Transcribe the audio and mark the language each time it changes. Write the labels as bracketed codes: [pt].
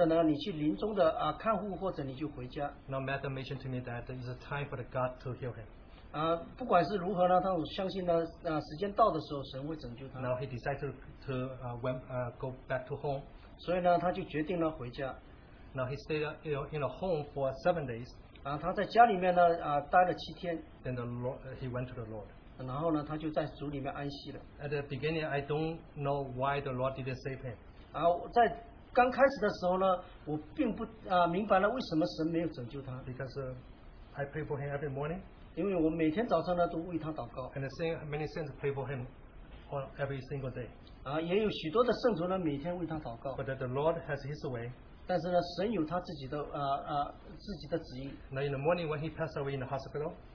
[zh] 当医生对他说呢，在这里呢，我们确实不能做什么呢，或者呢，你去临终的看护，或者你就回家。 [en] Now Matthew mentioned to me that it's time for the God to heal him. [zh] 不管是如何呢，他相信呢，时间到的时候神会拯救他。 [en] Now he decided to go back to home. [zh] 所以呢，他就决定了回家。 [en] Now he stayed in a home for 7 days. [zh] 他在家里面呢，待了7天。 [en] Then the Lord, he went to the Lord. [zh] 然后呢，他就在主里面安息了。 [en] At the beginning, I don't know why the Lord didn't save him. [zh] 在刚开始的时候呢，我并不明白了为什么神没有拯救他。 [en] Because I pray for him every morning. [zh] 因为我每天早上呢都为他祷告。 [en] And many saints pray for him on every single day. [zh] 也有许多的圣徒呢每天为他祷告。 [en] But the Lord has His way. [zh] 但是呢神有他自己的自己的旨意。 [en] Now in the morning when he passed away in the hospital.